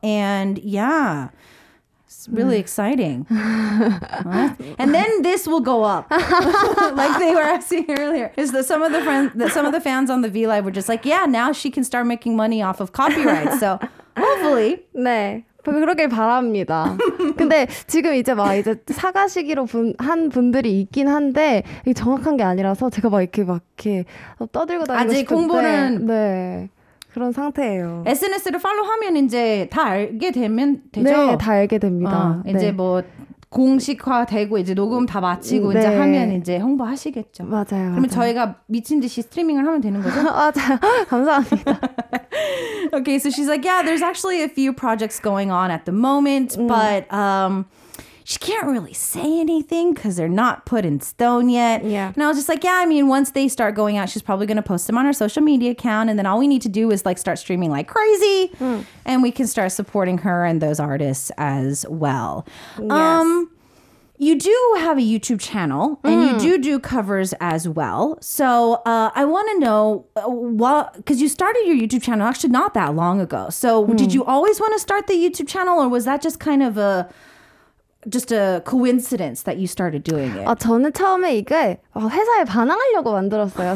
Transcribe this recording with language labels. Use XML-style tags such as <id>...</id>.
<en>And yeah. It's really exciting. And then this will go up. Like they were asking earlier. Is that some of the friends, some of the fans on the V Live were just like, yeah, now she can start making money off of copyright. So hopefully.</en> <ko>네. 그러길 바랍니다. 근데 지금 이제 막 이제 사가시기로 한 분들이 있긴 한데 이게 정확한 게 아니라서 제가 막 이렇게 떠들고 다니고 아직 싶은데. 공부는. 네. 그런 상태예요. SNS를 팔로우하면 이제 다 알게 되면 되죠? 네, 다 알게 됩니다. 이제 네. 뭐 공식화되고 이제 녹음 다 마치고 네. 이제 하면 이제 홍보하시겠죠. 맞아요. 그러면 맞아요. 저희가 미친 듯이 스트리밍을 하면 되는 거죠? 맞아요. 감사합니다.</ko> <en>Okay, so she's like, yeah, there's actually a few projects going on at the moment, but she can't really say anything because they're not put in stone yet. Yeah. And I was just like, yeah, I mean, once they start going out, she's probably going to post them on her social media account. And then all we need to do is like start streaming like crazy. Mm. And we can start supporting her and those artists as well. Yes. You do have a YouTube channel and you do covers as well. So I want to know what, because you started your YouTube channel actually not that long ago. So did you always want to start the YouTube channel or was that just kind of a... Just a coincidence that you started doing it.</en> <ko>저는 처음에 이게 회사에 반항하려고 만들었어요.</ko>